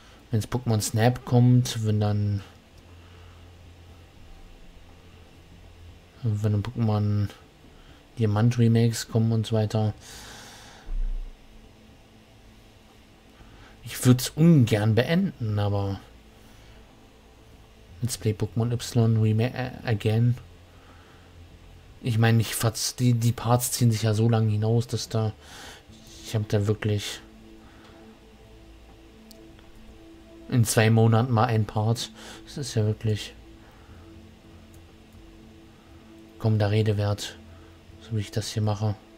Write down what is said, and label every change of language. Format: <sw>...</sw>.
<de>Wenn es Pokémon Snap kommt, wenn dann. Wenn Pokémon Diamant Remakes kommen und so weiter. Ich würde es ungern beenden, aber.</de> <en>Let's play Pokémon Y Remake again.</en> <de>Ich meine, die Parts ziehen sich ja so lange hinaus, dass da. Ich habe da wirklich. In 2 Monaten mal ein Part. Das ist ja wirklich. Kommender Rede wert, so wie ich das hier mache.</de>